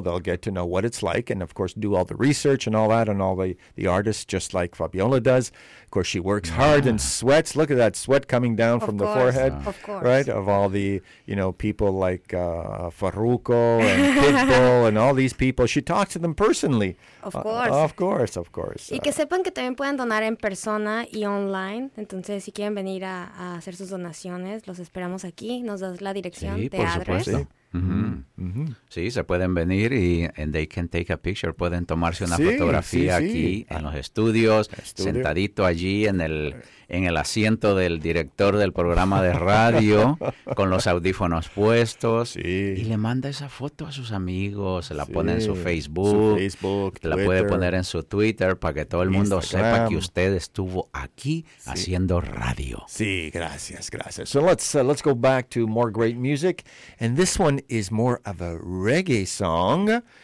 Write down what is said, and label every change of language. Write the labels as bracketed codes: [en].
[en] They'll get to know what it's like and, of course, do all the research and all that and all the artists just like Fabiola does. Of course, she works hard and sweats. Look at that sweat coming down of from course. The forehead. Of course. Right? Of all the, you know, people like Farruko and Pitbull and all these people. She talks to them personally. Of course. [es] Y que sepan que también pueden donar en persona y online. Entonces, si quieren venir a hacer sus donaciones, los esperamos aquí. Nos das la dirección de Adres. Sí, por supuesto. Sí, se pueden venir y [en] and they can take a picture. [es] Pueden tomarse una fotografía aquí en los estudios, sentadito allí en el asiento del director del programa de radio con los audífonos puestos y le manda esa foto a sus amigos, se la pone en su Facebook, la puede poner en su Twitter para que todo el mundo sepa que usted estuvo aquí haciendo radio. Sí, gracias. [en] So let's go back to more great music, and this one is more of a reggae song.